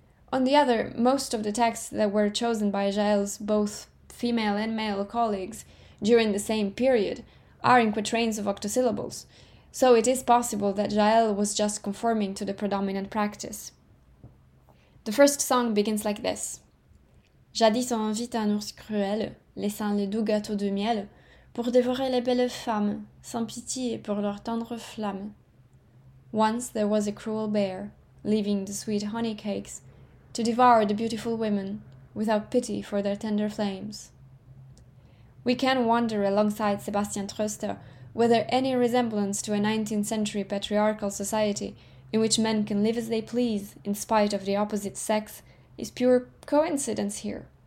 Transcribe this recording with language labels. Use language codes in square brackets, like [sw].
[en] On the other, most of the texts that were chosen by Jaël's both female and male colleagues during the same period are in quatrains of octosyllables, so it is possible that Jaël was just conforming to the predominant practice. The first song begins like this. [fr] Jadis on vit un ours cruel, laissant les doux gâteaux de miel, pour dévorer les belles femmes, sans pitié pour leur tendre flamme. [en] Once there was a cruel bear, leaving the sweet honey cakes, to devour the beautiful women, without pity for their tender flames. We can wonder alongside Sebastian Tröster whether any resemblance to a 19th century patriarchal society in which men can live as they please, in spite of the opposite sex, is pure coincidence here.